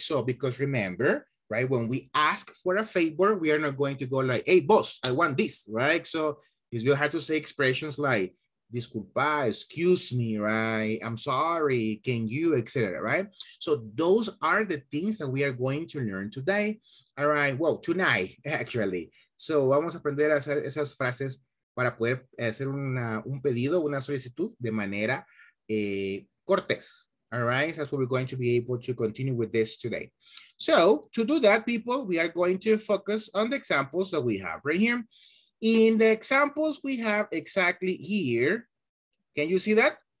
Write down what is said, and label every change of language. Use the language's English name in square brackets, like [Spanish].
[English] So, because remember, right, when we ask for a favor, we are not going to go like, hey, boss, I want this, right? So, you have to say expressions like, disculpa, excuse me, right? I'm sorry, can you, etc., right? So, those are the things that we are going to learn today, all right? Well, tonight, actually. [Spanish] So, vamos a aprender a hacer esas frases para poder hacer un pedido, una solicitud de manera cortés. [English] All right, that's what we're going to be able to continue with this today. So to do that, people, we are going to focus on the examples that we have right here. In the examples we have exactly here, can you see that?